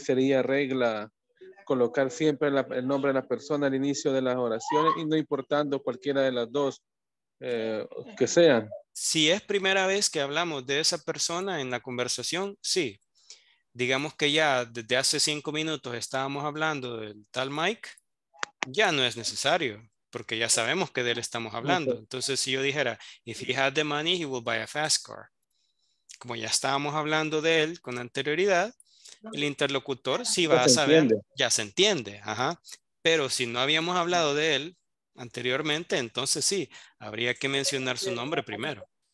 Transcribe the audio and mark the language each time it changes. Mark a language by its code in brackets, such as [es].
[es] sería regla colocar siempre el nombre de la persona al inicio de las oraciones y no importando cualquiera de las dos que sean. Si es primera vez que hablamos de esa persona en la conversación, sí. Digamos que ya desde hace 5 minutos estábamos hablando del tal Mike, ya no es necesario, porque ya sabemos que de él estamos hablando. Entonces, si yo dijera, [en] if he had the money, he would buy a fast car. [es] Como ya estábamos hablando de él con anterioridad, el interlocutor sí va a saber, ya se entiende. Ajá. Pero si no habíamos hablado de él anteriormente, entonces sí, habría que mencionar su nombre primero.